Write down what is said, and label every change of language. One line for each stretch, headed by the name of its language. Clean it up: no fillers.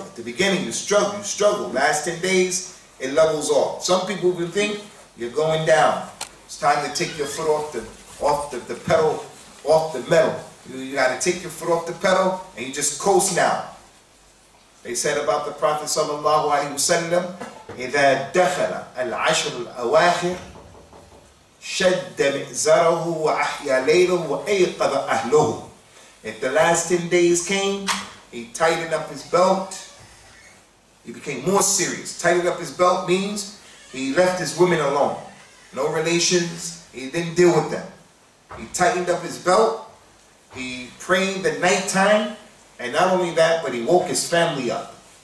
English: At the beginning, you struggle. Last 10 days, it levels off. Some people will think you're going down. It's time to take your foot off the pedal, off the metal. You gotta take your foot off the pedal and you just coast now. They said about the Prophet sallallahu alaihi wasallam,
Arabic: إذا دخل العشر الأواخر شد مئزره وأحيا ليله وأيقظ أهله.
English: If the last 10 days came, he tightened up his belt. He became more serious. Tightened up his belt means he left his women alone. No relations. He didn't deal with them. He tightened up his belt. He prayed the night time. And not only that, but he woke his family up.